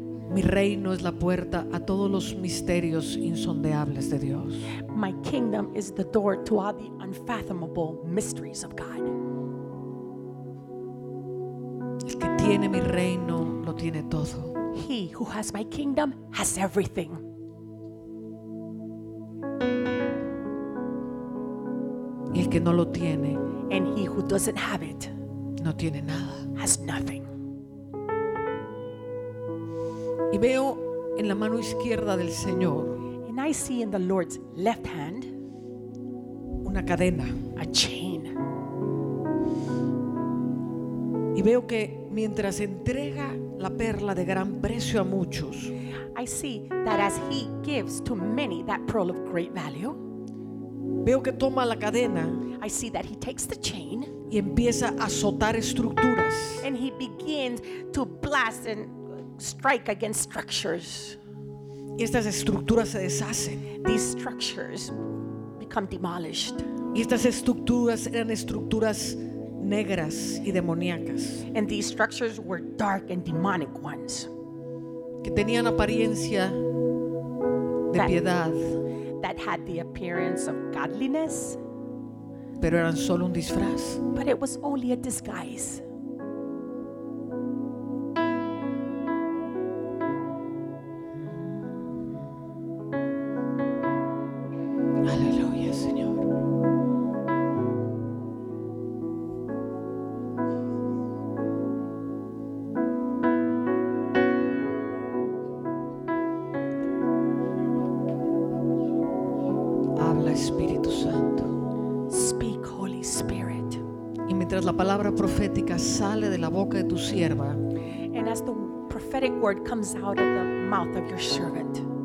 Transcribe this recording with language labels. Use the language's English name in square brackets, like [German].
[Spanish] Mi reino es la puerta a todos los misterios insondables de Dios. [English] My kingdom is the door to all the unfathomable mysteries of God. [Spanish] El que tiene mi reino lo tiene todo. [English] He who has my kingdom has everything. [Spanish] Y el que no lo tiene, [English] and he who doesn't have it, [Spanish] no tiene nada, [English] has nothing. [Spanish] Y veo en la mano izquierda del Señor, [English] and I see in the Lord's left hand, [Spanish] una cadena, [English] a chain. [Spanish] Y veo que mientras entrega la perla de gran precio a muchos, [English] I see that as he gives to many that pearl of great value, [Spanish] veo que toma la cadena, [English] I see that he takes the chain, [Spanish] y empieza a azotar estructuras, [English] and he begins to blast and strike against structures, [Spanish] y estas estructuras se deshacen, [English] these structures become demolished, [Spanish] y estas estructuras eran estructuras negras y demoníacas, [English] and these structures were dark and demonic ones, [Spanish] que tenían apariencia de piedad, [English] that had the appearance of godliness, [Spanish] pero eran solo un disfraz, [English] but it was only a disguise. [Spanish] Aleluya, Señor. Habla, Espíritu Santo. [English] Speak, Holy Spirit. [Spanish] Y mientras la palabra profética sale de la boca de tu sierva, [English] and as the prophetic word comes out of the mouth of your servant,